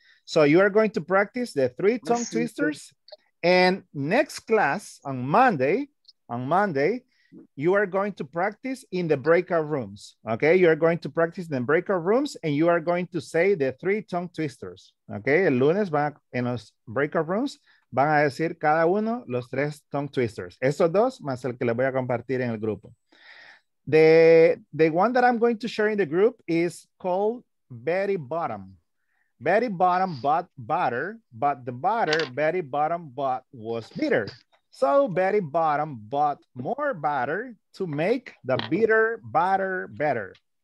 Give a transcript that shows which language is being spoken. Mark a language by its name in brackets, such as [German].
[English] So you are going to practice the three tongue twisters and next class on Monday, you are going to practice in the breakout rooms, okay? You are going to practice in the breakout rooms and you are going to say the three tongue twisters, okay? [Spanish] El lunes van en los breakout rooms, van a decir cada uno los tres tongue twisters. Esos dos más el que les voy a compartir en el grupo. [English] The one that I'm going to share in the group is called Betty Bottom. Betty Bottom bought butter, but the butter Betty Bottom bought was bitter. So Betty Bottom bought more butter to make the bitter butter better.